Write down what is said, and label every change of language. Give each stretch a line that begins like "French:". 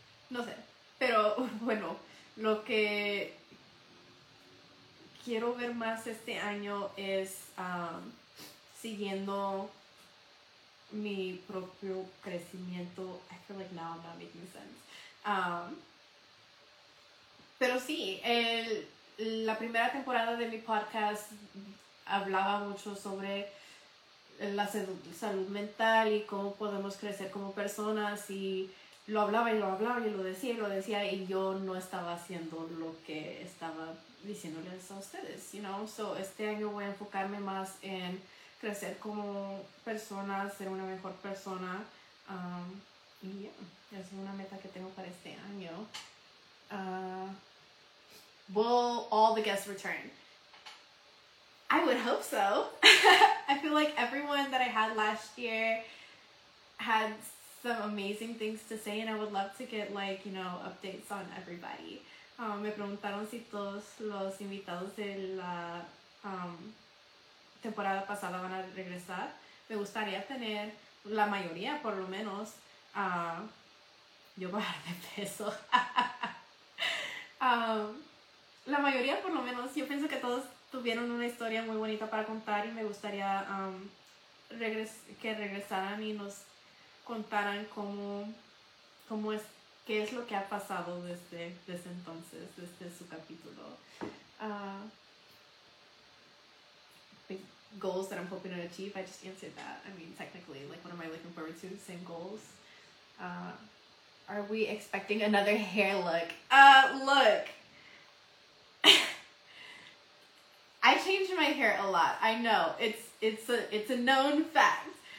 Spanish: No sé, pero bueno, lo que quiero ver más este año es siguiendo mi propio crecimiento.
English: I feel like now I'm not making sense.
Spanish: Pero sí, la primera temporada de mi podcast hablaba mucho sobre la salud mental y cómo podemos crecer como personas. Y lo hablaba y lo hablaba y lo decía y lo decía. Y yo no estaba haciendo lo que estaba diciéndoles a ustedes,
English: you know.
Spanish: So este año voy a enfocarme más en crecer como persona, ser una mejor persona. Y ya, es una meta que tengo para este año.
English: Will all the guests return? I would hope so. I feel like everyone that I had last year had some amazing things to say, and I would love to get, like, you know, updates on everybody.
Spanish: Me preguntaron si todos los invitados de la temporada pasada van a regresar. Me gustaría tener la mayoría, por lo menos. Yo bajar de peso. La mayoría, por lo menos. Yo pienso que todos tuvieron una historia muy bonita para contar y me gustaría que regresaran y nos contaran cómo es, qué es lo que ha pasado desde entonces, desde su capítulo.
English: Goals that I'm hoping to achieve, I just answered that. I mean, technically, like, what am I looking forward to? Same goals. Are we expecting another hair look? Look! I change my hair a lot. I know. It's a known fact.